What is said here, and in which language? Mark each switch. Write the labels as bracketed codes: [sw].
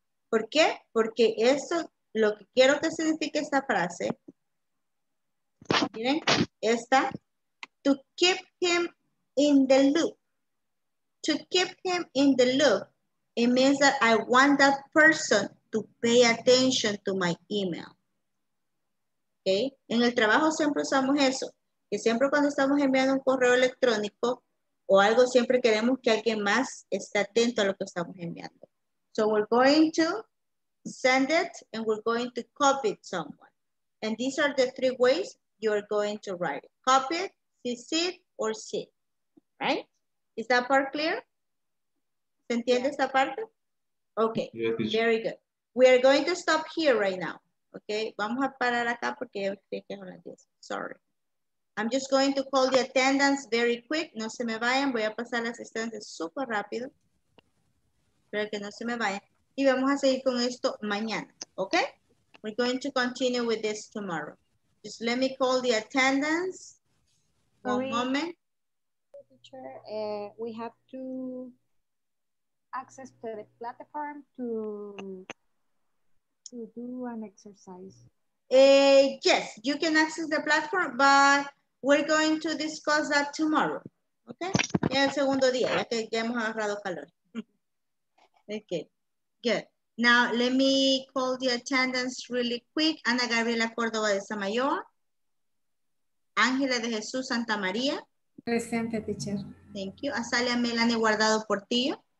[es] ¿Por qué? Porque eso, lo que quiero que signifique esta frase, miren, esta, [en] to keep him in the loop. To keep him in the loop, it means that I want that person to pay attention to my email. Okay. [es] En el trabajo siempre usamos eso, que siempre cuando estamos enviando un correo electrónico o algo, siempre queremos que alguien más esté atento a lo que estamos enviando. [en] So we're going to send it and we're going to copy it someone. And these are the three ways you're going to write it. Copy it, CC it, or see it. Right? Is that part clear? [es] ¿Se entiende esta parte? [en] Okay, yeah, very good. We are going to stop here right now. [es] Okay, vamos a parar acá porque [en] sorry. I'm just going to call the attendance very quick. [es] No se me vayan. Voy a pasar la asistencia súper rápido. Espero que no se me vayan. Y vamos a seguir con esto mañana. Okay? [en] We're going to continue with this tomorrow. Just let me call the attendance. One moment. We have to access to the platform to do an exercise. Yes, you can access the platform, but we're going to discuss that tomorrow. Okay? [es] El segundo día, ya que ya hemos agarrado calor. [en] Okay, good. Now, let me call the attendance really quick. Ana Gabriela Córdoba de Samayoa. Ángela de Jesús Santa María. [es] Presente, teacher. [en] Thank you. Azalea Melanie Guardado Portillo.